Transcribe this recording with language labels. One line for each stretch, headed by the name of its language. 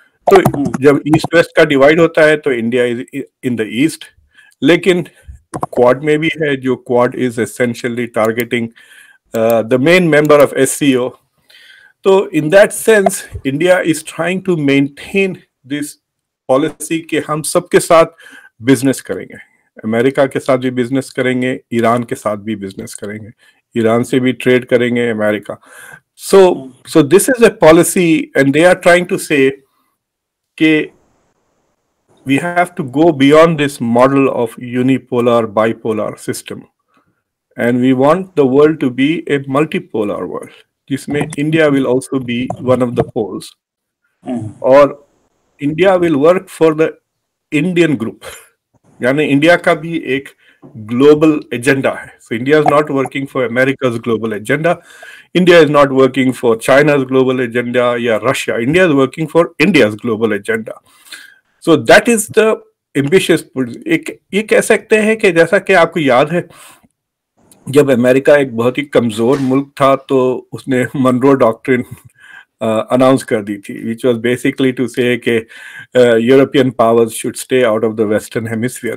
Urdu: تو جب
English: east west کا divide
Urdu: ہوتا ہے تو
English: India is in the east,
Urdu: لیکن کواڈ میں بھی ہے، جو
English: Quad is essentially targeting the main member of S C O. تو in that sense India is trying to maintain this policy
Urdu: کہ ہم سب کے ساتھ بزنس کریں گے، امریکہ کے ساتھ بھی بزنس کریں گے، ایران کے ساتھ بھی بزنس کریں گے، ایران سے بھی ٹریڈ کریں گے امریکہ.
English: so this is a policy and they are trying to say کہ we have to go beyond this model of unipolar bipolar system and we want the world to be a multipolar world jisme india will also be one of the poles or india will work for the indian group
Urdu: yani india ka bhi ek global agenda hai.
English: So india is not working for america's global agenda, india is not working for china's global agenda ya russia, india is working for india's global agenda. So that is the ambitious.
Urdu: یہ کہہ سکتے ہیں کہ جیسا کہ آپ کو یاد ہے جب امریکہ ایک بہت ہی کمزور ملک تھا تو اس نے منرو ڈاکٹرن اناؤنس کر دی تھی،
English: Which was basically to say کہ European powers should stay out of the western hemisphere.